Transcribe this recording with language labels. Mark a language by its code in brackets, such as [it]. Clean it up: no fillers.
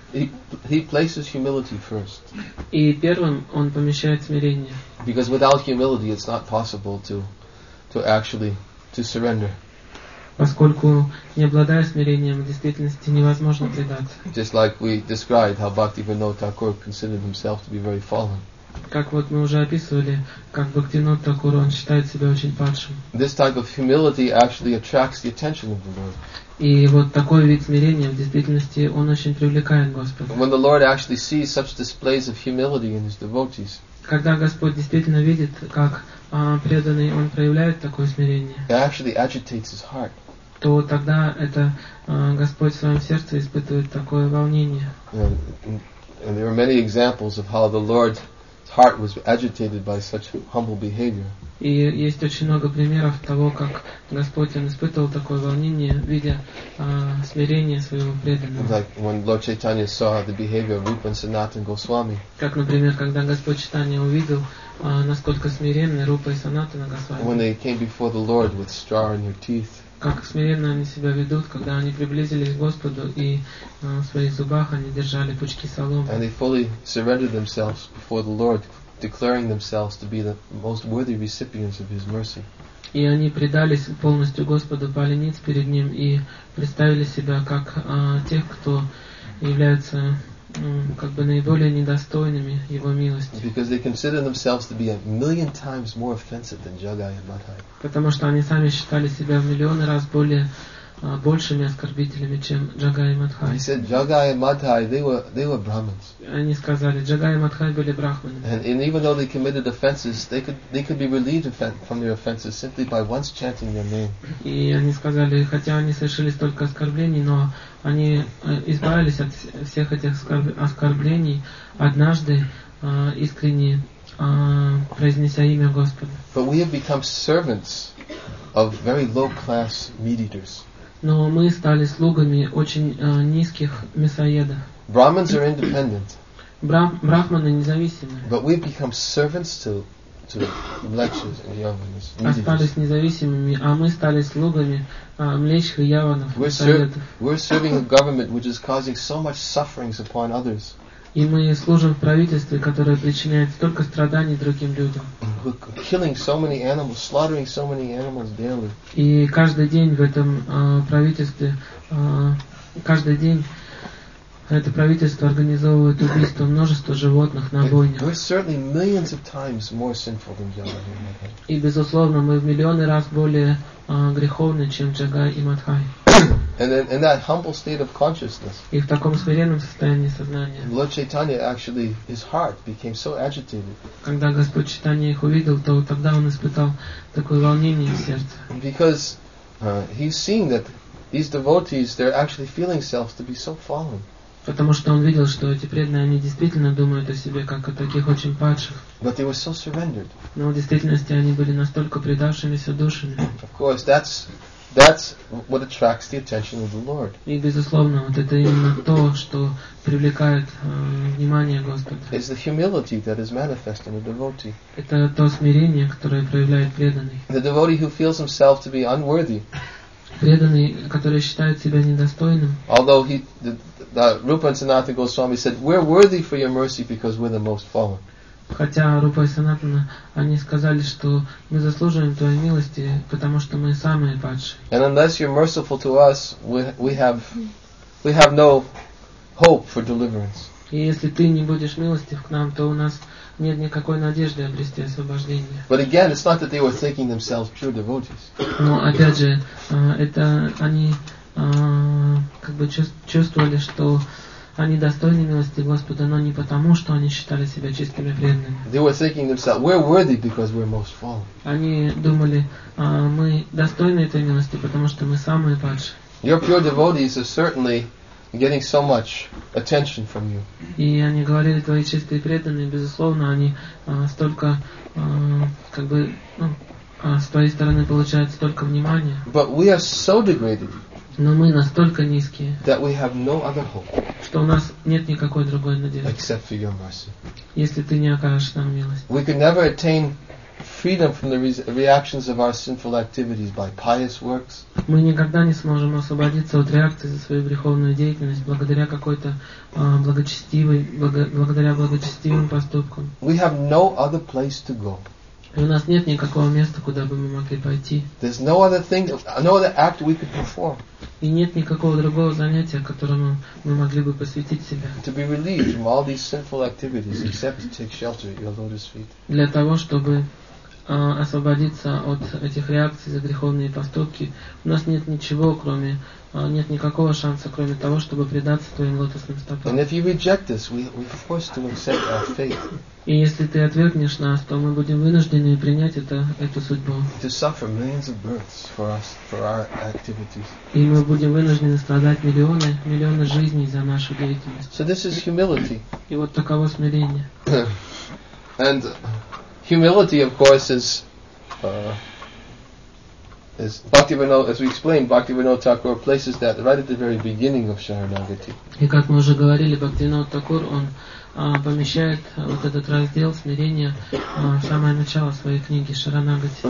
[en] He places humility first. [ru] И первым он помещает смирение. [en] Because without humility, it's not possible to surrender. [ru] Поскольку не обладая смирением, в действительности невозможно предаться. [en] Just like we described how Bhaktivinoda Thakur considered himself to be very fallen. [ru] Как вот мы уже описывали, как Бхактинода Такура, он считает себя очень падшим. [en] This type of humility actually attracts the attention of the Lord. [ru] И вот такой вид смирения, в действительности, он очень привлекает Господа. [en] When the Lord actually sees such displays of humility in his devotees. [ru] Когда Господь действительно видит, как преданный, он проявляет такое смирение. [en] It actually agitates his heart. [ru] То тогда это Господь в своем сердце испытывает такое волнение. [en] And there are many examples of how the Lord heart was agitated by such humble behavior. [ru] И есть очень много примеров того, как Господь испытывал такое волнение, видя смирение своего преданного. [en] Like when Lord Chaitanya saw the behavior of Rupa and Sanatan Goswami. [ru] Как, например, когда Господь Чайтанья увидел, насколько смиренны Рупа и Санатана Госвами. [en] When they came before the Lord with straw in their teeth. [ru] Как смиренно они себя ведут, когда они приблизились к Господу и в своих зубах они держали пучки соломы. [en] And they fully surrendered themselves before the Lord, declaring themselves to be the most worthy recipients of His mercy. [ru] И они предались полностью Господу, пали ниц перед Ним и представили себя как тех, кто являются как бы наиболее недостойными Его милости. [en] Because they consider themselves to be a million times more offensive than Jagai and Madhai. [ru] Потому что они сами считали себя в миллионы раз более большими оскорбителями, чем Jagai и Madhai. [en] He said, Jagai and Madhai, they were Brahmins. [ru] Они сказали, Jagai и Madhai были брахманы. [en] And even though they committed offenses, they could be relieved from their offenses simply by once chanting their name. [ru] И они сказали, хотя они совершили столько оскорблений, но они избавились от всех этих оскорблений однажды искренне произнеся имя Господа. [en] But we have become servants of very low class meat eaters. [ru] Но мы стали слугами очень низких мясоедов. [en] Brahmins are independent. [ru] Брахманы независимы. [en] But we've become servants to mlechhas and yavanas. [ru] Остались независимыми, а мы стали слугами млечих и яванов. [en] We're serving a government which is causing so much sufferings upon others. [ru] И мы служим в правительстве, которое причиняет столько страданий другим людям. [en] Killing so many animals, slaughtering so many animals daily. [ru] И каждый день в этом правительстве, каждый день это правительство организовывает убийство множества животных на бойнях. [en] We're certainly millions of times more sinful than Jagai and Madhai. [ru] И безусловно, мы в миллионы раз более греховны, чем Джагай и Мадхай. [en] And in that humble state of consciousness, [ru] и в таком смиренном состоянии сознания, [en] Lord Chaitanya actually his heart became so agitated. [ru] Когда Господь Чайтанья их увидел, то тогда он испытал такое волнение в сердце. [en] Because he's seeing that these devotees they're actually feeling themselves to be so fallen. [ru] Потому что он видел, что эти преданные они действительно думают о себе как о таких очень падших. [en] But they were so surrendered. [ru] Но в действительности они были настолько предавшимися душами. [en] Of course, that's That's what attracts the attention of the Lord. [ru] И безусловно, вот это именно то, что привлекает внимание Господа. [en] It's the humility that is manifest in a devotee. [ru] Это то смирение, которое проявляет преданный. [en] The devotee who feels himself to be unworthy. [ru] Преданный, который считает себя недостойным. [en] Although the Rupa and Sanatana Goswami said, "We're worthy for your mercy because we're the most fallen." [ru] Хотя Рупа и Санатана, они сказали, что мы заслуживаем твоей милости, потому что мы самые падшие. [en] And unless you're merciful to us, we have no hope for deliverance. [ru] И если ты не будешь милостив к нам, то у нас нет никакой надежды обрести освобождение. [en] But again, it's not that they were thinking themselves pure devotees. [ru] Но опять же, это они как бы чувствовали, что они достойны милости Господа, но не потому, что они считали себя чистыми преданными. [en] They were thinking themselves, we're worthy because we're most fallen. [ru] Они думали, мы достойны этой милости, потому что мы самые падшие. [en] Your pure devotees are certainly getting so much attention from you. [ru] И они говорили, твои чистые преданные, безусловно, они столько, как бы, ну, с твоей стороны получают столько внимания. [en] But we are so degraded. [ru] Но мы настолько низкие, [en] that we have no other hope, [ru] что у нас нет никакой другой надежды, [en] except for your mercy. [ru] Если ты не окажешь нам милость. [en] We could never attain freedom from the reactions of our sinful activities by pious works. [ru] Мы никогда не сможем освободиться от реакции за свою греховную деятельность благодаря какой-то благодаря благочестивым поступкам. [en] We have no other place to go. [ru] И у нас нет никакого места, куда бы мы могли пойти. [en] There's no other thing, no other act we could perform. [ru] И нет никакого другого занятия, которому мы могли бы посвятить себя. [en] To be relieved from all these sinful activities, except to take shelter at your lotus feet. [ru] Для того, чтобы освободиться от этих реакций за греховные поступки, у нас нет ничего, кроме нет никакого шанса, кроме того, чтобы предаться твоим лотосным стопам. [en] And if you reject this, we're forced to accept our fate. [ru] И если ты отвергнешь нас, то мы будем вынуждены принять эту судьбу. [en] To suffer millions of births for us, for our activities. [ru] И мы будем вынуждены страдать миллионы жизней за нашу деятельность. [en] So this is humility. [ru] И вот таково смирение. [en] And humility, of course, is Bhaktivinoda, as we explained, Bhaktivinoda Thakur places that right at the very beginning of Sharanagati. [ru] И как мы уже говорили, Бхактивинода Такур, он помещает вот этот раздел смирения в самое начало своей книги Шаранагати.